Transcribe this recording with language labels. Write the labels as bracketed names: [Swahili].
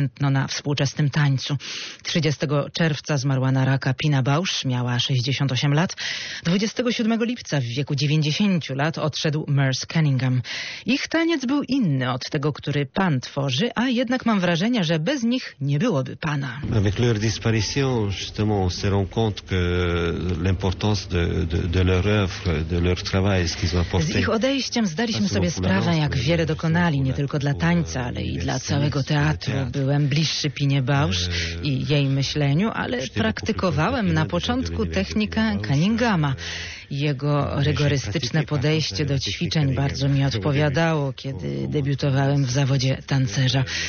[Polish] namiętno na współczesnym tańcu. 30 czerwca zmarła na raka Pina Bausch, miała 68 lat. 27 lipca w wieku 90 lat odszedł Merce Cunningham. Ich taniec był inny od tego, który pan tworzy, a jednak mam wrażenie, że bez nich nie byłoby pana. [French] Avec leur disparition, justement, on se rend compte que l'importance de leur œuvre, de leur travail, ce qu'ils ont apporté. [Polish] Z ich odejściem zdaliśmy sobie sprawę, jak wiele dokonali, nie tylko dla tańca, ale i dla całego teatru. Byłem bliższy Pinie Bausch i jej myśleniu, ale praktykowałem na początku technikę Cunninghama. Jego rygorystyczne podejście do ćwiczeń bardzo mi odpowiadało, kiedy debiutowałem w zawodzie tancerza.